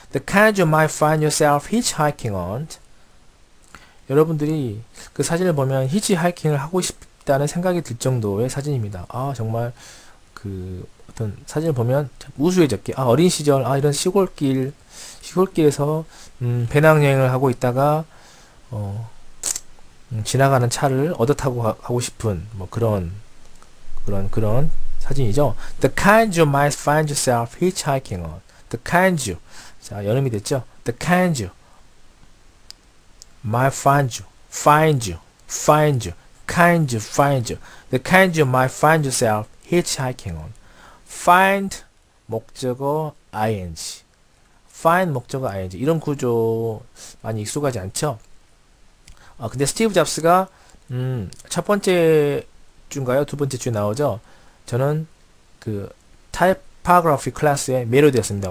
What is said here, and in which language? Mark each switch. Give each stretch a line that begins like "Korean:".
English: The kind you might find yourself hitchhiking on.
Korean: 여러분들이 그 사진을 보면 히치하이킹을 하고 싶다는 생각이 들 정도의 사진입니다. 아, 정말 그 어떤 사진을 보면 우수해졌기. 아, 어린 시절, 아, 이런 시골길, 시골길에서 배낭여행을 하고 있다가 지나가는 차를 얻어 타고 가고 싶은 뭐 그런 사진이죠.
English: The kind you might find yourself hitchhiking on. The kind you. 자,
Korean: 여름이 됐죠.
English: The kind you might find you. Find you. Find you. Kind you. Find you. The kind you might find yourself hitchhiking on. Find 목적어 ing. Find 목적어 ing.
Korean: 이런 구조 많이 익숙하지 않죠? 아, 근데 스티브 잡스가 첫 번째 주인가요? 두 번째 주에 나오죠? 저는 그 타이파그라피 클래스에 매료되었습니다.